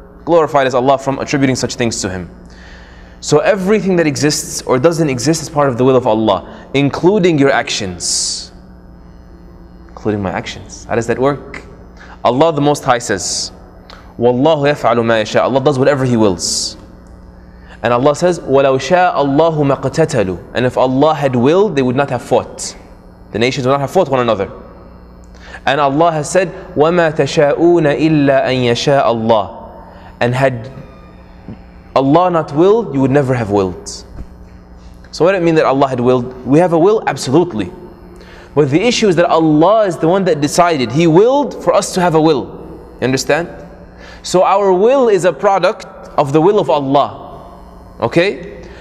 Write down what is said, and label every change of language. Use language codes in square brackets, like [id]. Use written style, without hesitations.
[en] Glorified is Allah from attributing such things to Him. So everything that exists or doesn't exist is part of the will of Allah, including your actions. Including my actions. How does that work? Allah the Most High says, [ar] وَاللَّهُ يَفْعَلُ مَا يَشَاءُ. [en] Allah does whatever He wills. And Allah says, [ar] وَلَوْ شَاءَ اللَّهُ مَقْتَتَلُ. [en] And if Allah had willed, they would not have fought. The nations would not have fought one another. And Allah has said, [ar] وَمَا تَشَاءُونَ إِلَّا أَن يَشَاءَ اللَّهُ. [en] And had Allah not willed, you would never have willed. So what does it mean that Allah had willed? We have a will, absolutely. But the issue is that Allah is the one that decided. He willed for us to have a will. You understand? So our will is a product of the will of Allah. Okay?